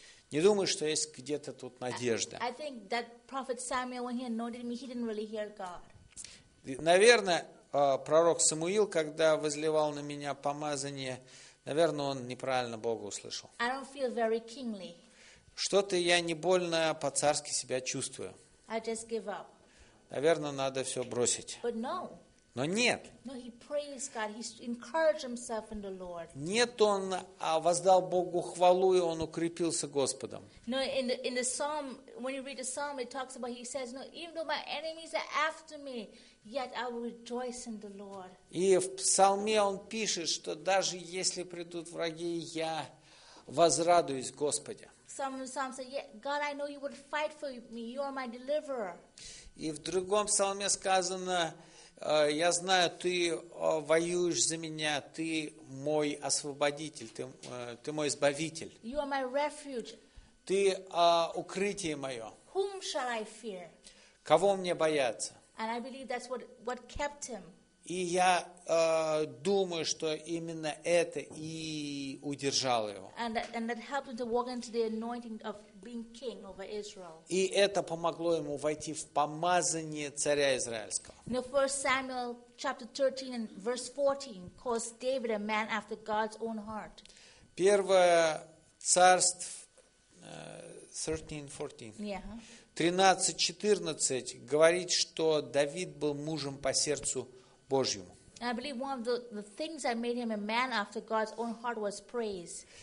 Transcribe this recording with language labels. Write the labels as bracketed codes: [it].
[ru] Не думаю, что есть где-то тут надежда. [en] I think that prophet Samuel, when he anointed me, he didn't really hear God. [ru] Наверное, пророк Самуил, когда возливал на меня помазание, наверное, он неправильно Бога услышал. [en] I don't feel very kingly. [ru] Что-то я не больно по-царски себя чувствую. [en] I just give up. [ru] Наверное, надо все бросить. [en] But no. [ru] Но нет. [en] No, he praised God. He encouraged himself in the Lord. [ru] Нет, он воздал Богу хвалу, и он укрепился Господом. [en] No, in the psalm, when you read the psalm, it talks about, he says, no, even though my enemies are after me, yet I will rejoice in the Lord. [ru] И в псалме он пишет, что даже если придут враги, я возрадуюсь Господе. [en] Some say, yeah, God, I know you would fight for me. You are my deliverer. [ru] И в другом псалме сказано, я знаю, ты воюешь за меня, ты мой освободитель, ты мой избавитель. [en] You are my refuge. [ru] Ты укрытие мое. [en] Whom shall I fear? [ru] Кого мне бояться? [en] And I believe that's what kept him. [ru] И я думаю, что именно это и удержало его. [en] And that helped him to walk into the anointing of being king over Israel. [ru] И это помогло ему войти в помазание царя израильского. [en] Now, 1 Samuel chapter 13 and verse 14 calls David a man after God's own heart. [ru] Первое царство 13:14. [en] Yeah. [ru] 13:14 говорит, что Давид был мужем по сердцу Божьему. [en] And I believe one of the things that made him a man after God's own heart was praise.